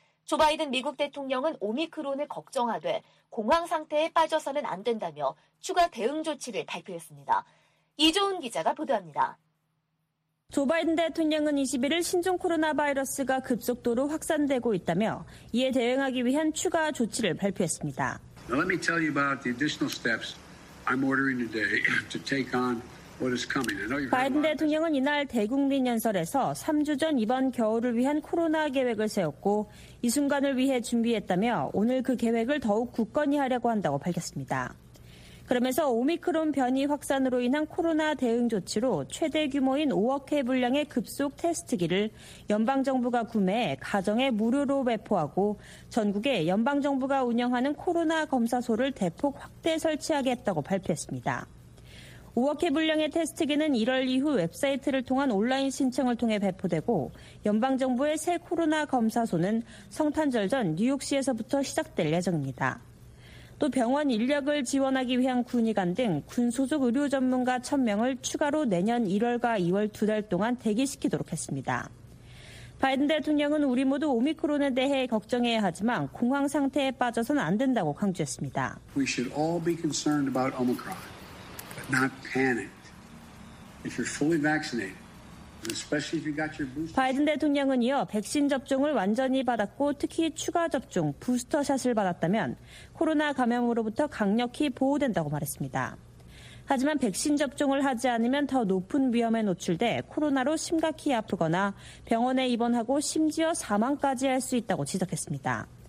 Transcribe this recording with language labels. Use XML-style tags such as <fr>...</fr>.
<ko>조 바이든 미국 대통령은 오미크론을 걱정하되 공황 상태에 빠져서는 안 된다며 추가 대응 조치를 발표했습니다. 이조은 기자가 보도합니다. 조 바이든 대통령은 21일 신종 코로나 바이러스가 급속도로 확산되고 있다며 이에 대응하기 위한 추가 조치를 발표했습니다.</ko> <en>Now let me tell you about the additional steps I'm ordering today to take on.</en> <ko>바이든 대통령은 이날 대국민 연설에서 3주 전 이번 겨울을 위한 코로나 계획을 세웠고 이 순간을 위해 준비했다며 오늘 그 계획을 더욱 굳건히 하려고 한다고 밝혔습니다. 그러면서 오미크론 변이 확산으로 인한 코로나 대응 조치로 최대 규모인 5억 회 분량의 급속 테스트기를 연방정부가 구매해 가정에 무료로 배포하고 전국에 연방정부가 운영하는 코로나 검사소를 대폭 확대 설치하겠다고 발표했습니다. 5억 회 분량의 테스트기는 1월 이후 웹사이트를 통한 온라인 신청을 통해 배포되고 연방정부의 새 코로나 검사소는 성탄절 전 뉴욕시에서부터 시작될 예정입니다. 또 병원 인력을 지원하기 위한 군의관 등 군 소속 의료 전문가 1,000명을 추가로 내년 1월과 2월 두 달 동안 대기시키도록 했습니다. 바이든 대통령은 우리 모두 오미크론에 대해 걱정해야 하지만 공황 상태에 빠져서는 안 된다고 강조했습니다.</ko> <en>We should all be concerned about Omicron. Not panicked. If you're fully vaccinated, especially if you got your booster.</en> <ko>바이든 대통령은 이어 백신 접종을 완전히 받았고 특히 추가 접종 부스터샷을 받았다면 코로나 감염으로부터 강력히 보호된다고 말했습니다. 하지만 백신 접종을 하지 않으면 더 높은 위험에 노출돼 코로나로 심각히 아프거나 병원에 입원하고 심지어 사망까지 할 수 있다고 지적했습니다.</ko>